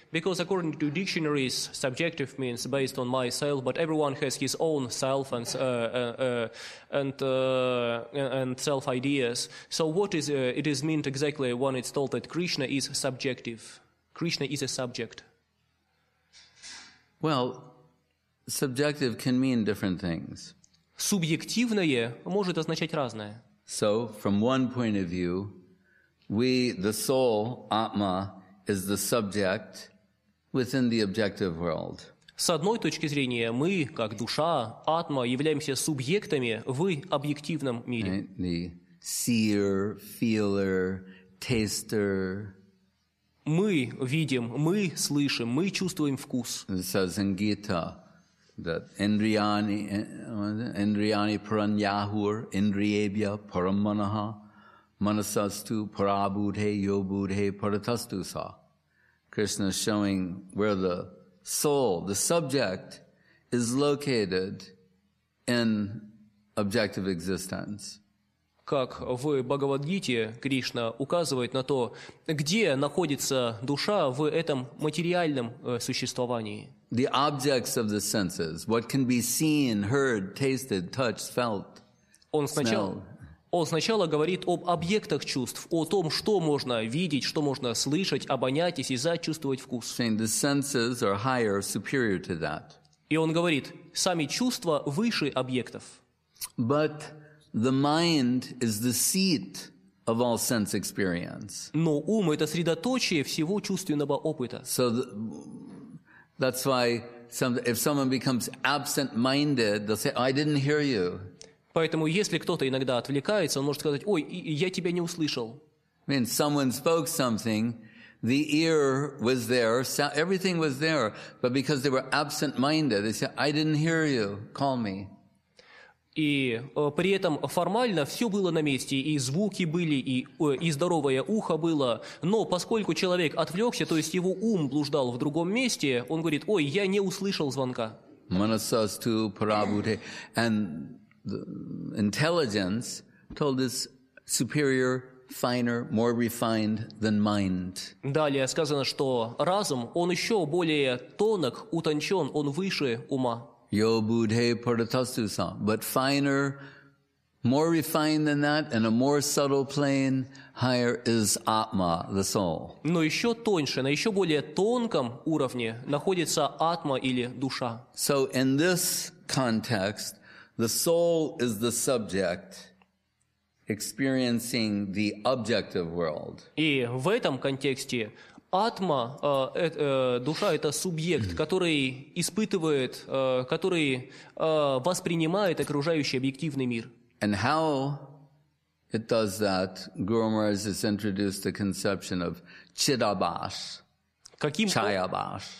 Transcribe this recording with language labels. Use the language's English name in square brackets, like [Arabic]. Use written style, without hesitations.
[English] Because according to dictionaries, subjective means based on myself, but everyone has his own self and self ideas. So what is it is meant exactly when it's told that Krishna is subjective? Krishna is a subject. Well, subjective can mean different things. [Russian] Субъективное может означать разное. [English] So, from one point of view, we, the soul, Atma, is the subject within the objective world. [Russian] С одной точки зрения, мы, как душа, Атма, являемся субъектами в объективном мире. [English] Right? The seer, feeler, taster. [Russian] Мы видим, мы слышим, мы чувствуем вкус. [English] It says in Gita that [Sanskrit] Indriyani Paranyahur, Indriyebhya Paramanaha, Manasastu Parabudhe Yobudhe Paratastu Sa. [English] Krishna is showing where the soul, the subject, is located in objective existence. [Russian] Как в Бхагавадгите Кришна указывает на то, где находится душа в этом материальном существовании. [English] The objects of the senses, what can be seen, heard, tasted, touched, felt, smelled. [Russian] Он сначала говорит об объектах чувств, о том, что можно видеть, что можно слышать, обонять, осязать, чувствовать вкус. [English] Saying the senses are higher, superior to that. [Russian] И он говорит, сами чувства выше объектов. [English] But the mind is the seat of all sense experience. [Russian] Но ум – это средоточие всего чувственного опыта. [English] So that's why if someone becomes absent-minded, they'll say, I didn't hear you. [Russian] Поэтому если кто-то иногда отвлекается, он может сказать, ой, я тебя не услышал. [English] I mean, someone spoke something, the ear was there, everything was there, but because they were absent-minded, they said, I didn't hear you, call me. [Russian] И при этом формально все было на месте, и звуки были, и здоровое ухо было. Но поскольку человек отвлекся, то есть его ум блуждал в другом месте, он говорит, ой, я не услышал звонка. [Sanskrit] Manasastu Parabhute. [English] And the intelligence told us superior, finer, more refined than mind. [Russian] Далее сказано, что разум, он еще более тонок, утончен, он выше ума. [Sanskrit] Yo buddhe paratastusa, [English] but finer, more refined than that, in a more subtle plane, higher is Atma, the soul. [Russian] Но еще тоньше, на еще более тонком уровне находится Атма или душа. [English] So in this context, the soul is the subject experiencing the objective world. [Russian] И в этом контексте Атма, душа – это субъект, который испытывает, который воспринимает окружающий объективный мир. [English] And how it does that, Guru Maharaj has introduced the conception of chidabhas, chayabhas.